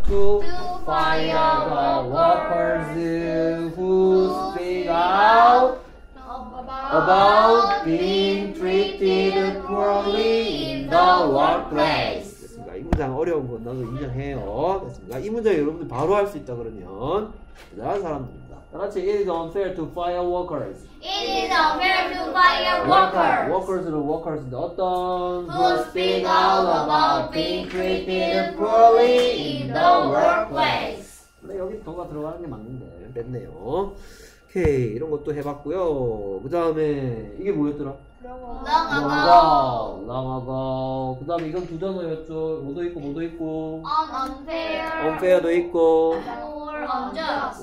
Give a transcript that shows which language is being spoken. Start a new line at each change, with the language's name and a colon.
English: To fire the workers who speak out about being treated poorly in the workplace.
Korean: 됐습니까? 이 문장 어려운 건 나도 인정해요. 됐습니까? 이 문장 여러분들 바로 할 수 있다 그러면 대단한 사람들입니다. 다 같이
English: It is unfair to fire workers. It is unfair to fire workers.
Korean: Workers인데 어떤
English: Who speak out about being treated poorly in the workplace.
Korean: 근데 여기 더가 들어가는 게 맞는데 됐네요. 오케이 이런 것도 해봤고요. 그 다음에 이게 뭐였더라?
English: Long ago.
Korean: 그 다음에 이건 두 단어였죠. 뭐도 있고 뭐도 있고
English: Unfair도
Korean: 있고
English: Unjust.